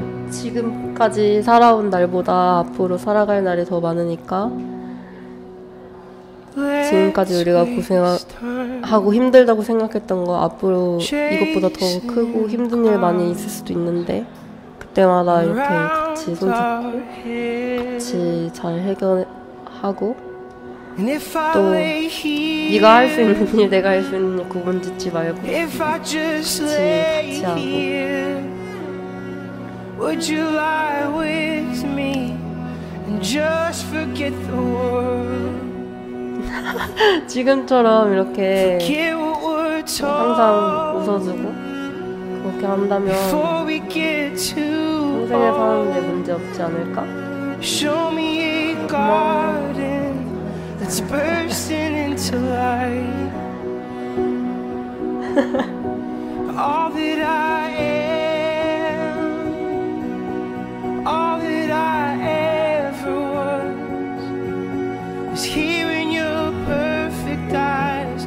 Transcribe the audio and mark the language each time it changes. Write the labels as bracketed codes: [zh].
[ko] 지금까지 살아온 날보다 앞으로 살아갈 날이 더 많으니까 지금까지 우리가 고생하고 힘들다고 생각했던 거 앞으로 이것보다 더 크고 힘든 일 많이 있을 수도 있는데 그때마다 이렇게 같이 손잡고 같이 잘 해결하고 또 네가 할 수 있는 일, 내가 할 수 있는 일 구분 짓지 말고 같이 하고. [en] Would you lie with me and just forget the world? [ko] 지금처럼 이렇게 항상 웃어주고 그렇게 한다면 평생에 사는데 문제 없지 않을까? [en] Show me a garden that's bursting into light. All that I am. All that I ever was is here in your perfect eyes.